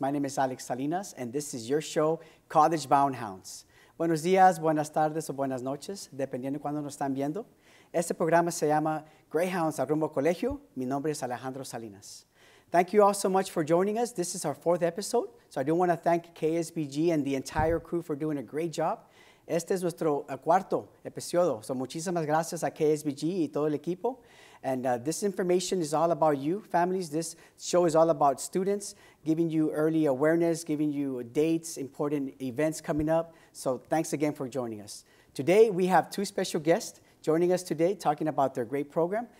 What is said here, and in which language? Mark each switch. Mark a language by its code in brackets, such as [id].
[en] My name is Alex Salinas, and this is your show, College Bound Hounds. [es] Buenos días, buenas tardes, o buenas noches, dependiendo de cuándo nos están viendo. Este programa se llama Greyhounds a Rumbo Colegio. Mi nombre es Alejandro Salinas. [en] Thank you all so much for joining us. This is our fourth episode, so I do want to thank KSBG and the entire crew for doing a great job. [es] Este es nuestro cuarto episodio, so muchísimas gracias a KSBG y todo el equipo. [en] And this information is all about you, families. This show is all about students, giving you early awareness, giving you dates, important events coming up. So thanks again for joining us. Today, we have two special guests joining us today, talking about their great program.